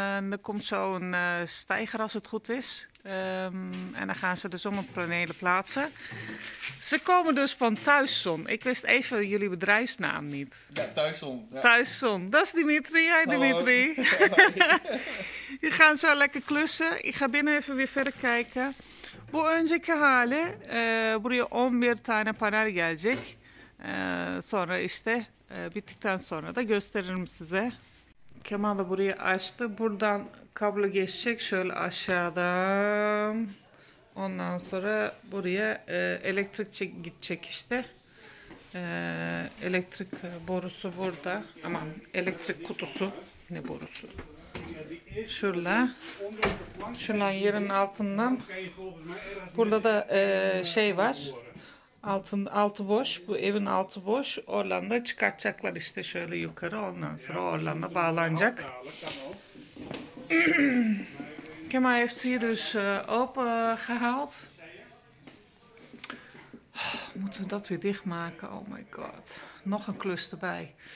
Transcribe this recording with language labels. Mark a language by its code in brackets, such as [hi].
[nl] Er komt zo een steiger als het goed is. En dan gaan ze de zonnepanelen plaatsen. Ze komen dus van Thuiszon. Ik wist even jullie bedrijfsnaam niet. Ja, Thuiszon. Ja. Thuiszon. Dat is Dimitri. Hi, hallo. Dimitri. Je gaat zo lekker klussen. Ik ga binnen even weer verder kijken. [tr] Bu önceki hali, buraya 11 tane panel gelecek. Sonra işte bittikten sonra da gösteririm size. Kemal da burayı açtı. Buradan kablo geçecek şöyle aşağıdan. Ondan sonra buraya elektrik gidecek işte. Elektrik borusu burada. Aman, elektrik kutusu. Ne borusu? Şurada. Şuradan yerin altından. Burada da şey var. Altı boş. Bu evin altı boş. Oradan da çıkartacaklar işte şöyle yukarı. Ondan sonra oradan da bağlanacak. [nl] Kemal heeft hier dus open gehaald. Oh, moeten we dat weer dichtmaken? [en] Oh my god. [nl] Nog een klus erbij.